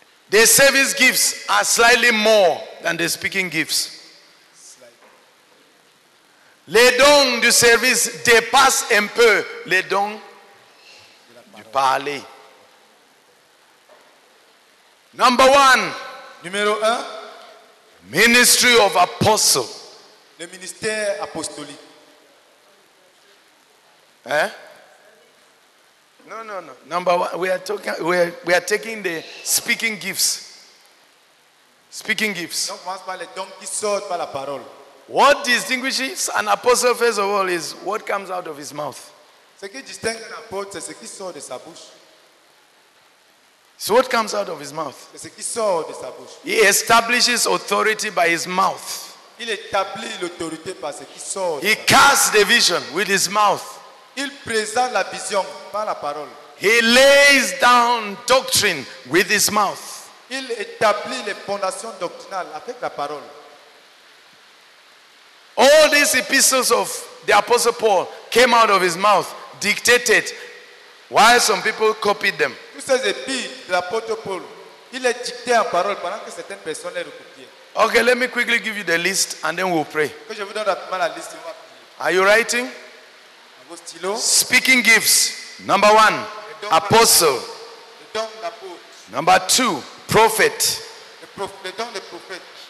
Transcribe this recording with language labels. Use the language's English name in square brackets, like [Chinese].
[English] The service gifts are slightly more than the speaking gifts. [French] Les dons du service dépassent un peu les dons du parler. [English] Number one. [French] Numéro un. [English] Ministry of Apostle. [French] Le ministère apostolique. [English] Hein? No. Number one. We are taking the speaking gifts. Speaking gifts. [French] Donc, on commence par les dons qui sortent par la parole. [English] What distinguishes an apostle, first of all, is what comes out of his mouth. [French] Ce qui distingue un apôtre, c'est ce qui sort de sa bouche. [English] So what comes out of his mouth? [French] C'est ce qui sort de sa bouche. [English] He establishes authority by his mouth. [French] Il établit l'autorité par ce qui sort. [English] He casts the vision with his mouth. [French] Il présente la vision par la parole. [English] He lays down doctrine with his mouth. [French] Il établit les fondations doctrinales avec la parole. [English] All these epistles of the Apostle Paul came out of his mouth, dictated, while some people copied them. [French] Tous ces épîtres de l'apôtre Paul, il les dictait en parole pendant que certaines personnes les recopiaient. [English] Okay, let me quickly give you the list and then we'll pray. [French] Que je vous donne rapidement la liste. [English] Are you writing? [French] Vos stylos. [English] Speaking gifts. Number one, apostle. [French] Le don d'apôtre. [English] Number two, prophet. [French] Le don de prophète.